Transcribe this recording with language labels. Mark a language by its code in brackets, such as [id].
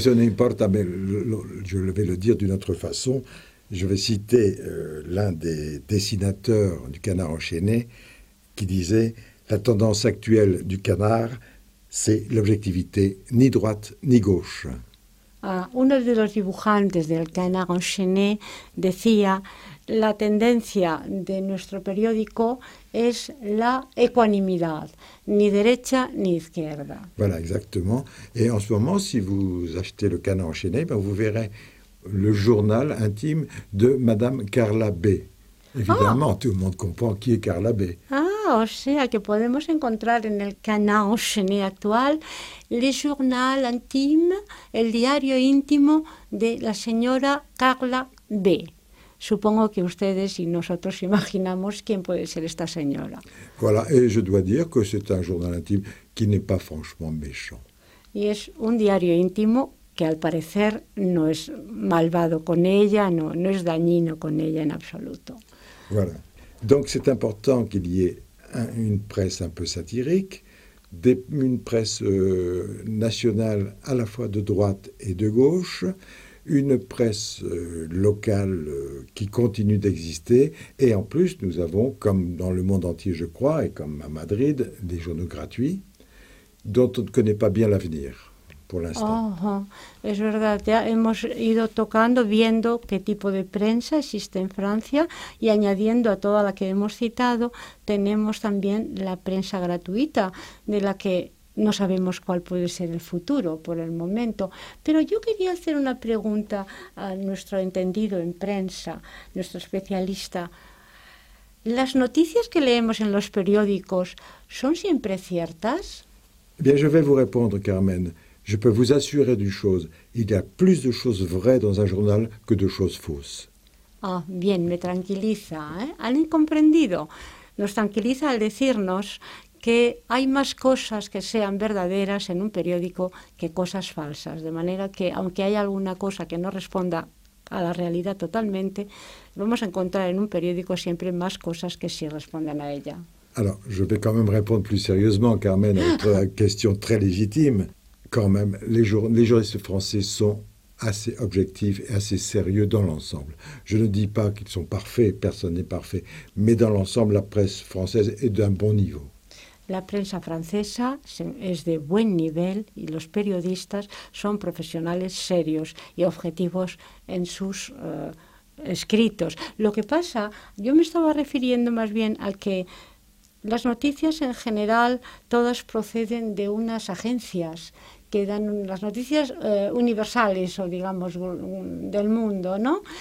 [es] Eso no importa, yo le voy a decir de una otra [fr] façon. Je vais citer l'un des dessinateurs du Canard enchaîné qui disait: la tendance actuelle du Canard, c'est l'objectivité, ni droite ni gauche. [es] Uno de los dibujantes del Canard enchaîné decía: la tendencia de nuestro periódico es la ecuanimidad, ni derecha ni izquierda. [fr] Voilà, exactement. Et en ce moment, si vous achetez le Canard enchaîné, ben vous verrez le journal intime de Madame Carla B. Évidemment, tout le monde comprend qui est Carla B. [es] O sea que podemos encontrar en el Canard enchaîné actual [fr] le journal intime, [es] el diario íntimo de la señora Carla B. Supongo que ustedes y nosotros imaginamos quién puede ser esta señora. [fr] Voilà, et je dois dire que c'est un journal intime qui n'est pas franchement méchant. [es] Y es un diario íntimo que al parecer no es malvado con ella, no es dañino con ella en absoluto. [fr] Voilà. Donc c'est important qu'il y ait une presse un peu satirique, une presse nationale à la fois de droite et de gauche, une presse locale qui continue d'exister, et en plus nous avons, comme dans le monde entier je crois, et comme à Madrid, des journaux gratuits dont on ne connaît pas bien l'avenir, pour l'instant. [es] Es verdad, ya hemos ido tocando, viendo qué tipo de prensa existe en Francia y añadiendo a toda la que hemos citado, tenemos también la prensa gratuita, de la que no sabemos cuál puede ser el futuro por el momento. Pero yo quería hacer una pregunta a nuestro entendido en prensa, nuestro especialista. ¿Las noticias que leemos en los periódicos son siempre ciertas? [fr] Bien, je vais vous répondre, Carmen. Je peux vous assurer d'une chose. Il y a plus de choses vraies dans un journal que de choses fausses. [es] Ah, bien, me tranquiliza. ¿Han comprendido? Nos tranquiliza al decirnos que hay más cosas que sean verdaderas en un periódico que cosas falsas. De manera que, aunque haya alguna cosa que no responda a la realidad totalmente, vamos a encontrar en un periódico siempre más cosas que sí respondan a ella. [fr] Alors, je vais quand même répondre plus sérieusement, Carmen, à votre question très légitime. Quand même, les journalistes français sont assez objectifs et assez sérieux dans l'ensemble. Je ne dis pas qu'ils sont parfaits, personne n'est parfait, mais dans l'ensemble, la presse française est d'un bon niveau. [es] La prensa francesa es de buen nivel y los periodistas son profesionales serios y objetivos en sus escritos. Lo que pasa, yo me estaba refiriendo más bien a que las noticias en general todas proceden de unas agencias que dan las noticias universales o digamos del mundo, ¿no?